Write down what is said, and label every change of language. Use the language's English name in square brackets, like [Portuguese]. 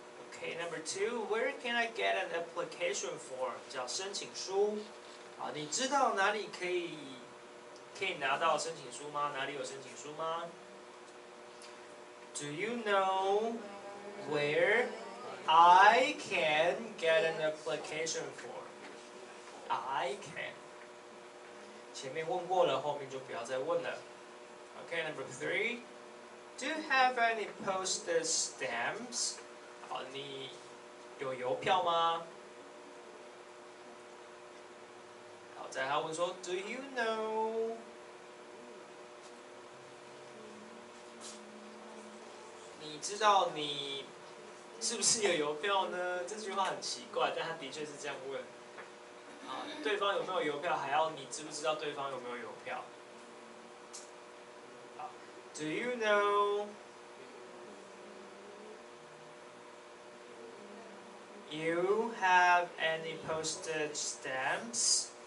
[English] Okay, number two, where can I get an application form? [Chinese] 叫申请书。好，你知道哪里可以拿到申请书吗？哪里有申请书吗 ？ [English] Do you know where I can get an application form? I can. [Chinese] 前面问过了，后面就不要再问了。 [English] Okay, number three, do you have any postage stamps? [Chinese] 好，你有邮票吗？好，再他问说 ， [English] Do you know? [Chinese] 你知道你是不是有邮票呢？这句话很奇怪，但他的确是这样问。对方有没有邮票，还要你知不知道对方有没有邮票。 [English] Do you know you have any postage stamps?